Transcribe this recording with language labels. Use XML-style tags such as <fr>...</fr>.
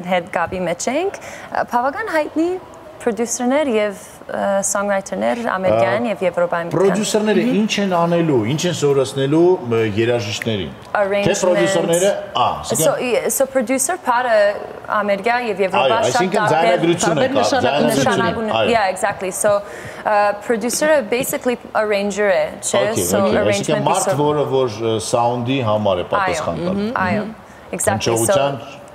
<hy>հետ Gabi Matching, բավական հայտնի producer-ներ եւ songwriter-ներ ամերիկան եւ եվրոպայում։ Producer-ները ինչ են անելու, ինչ են սովորացնելու երաժիշտներին։ Թե producer-ները, ա, so producer part-ը ամերիկա եւ եվրոպա շատ կարեւոր է։ Այո, այսինքն ձայնագրությունը կա։</hy> <en>Yeah, exactly. So producer-ը basically arranger</en> <hy>է, չէ՞,</hy> <en>so arrangement-ը</en> <hy>մարդ, որը որ sound-ի համար է պատասխանատու։ Այո, exactly.</hy>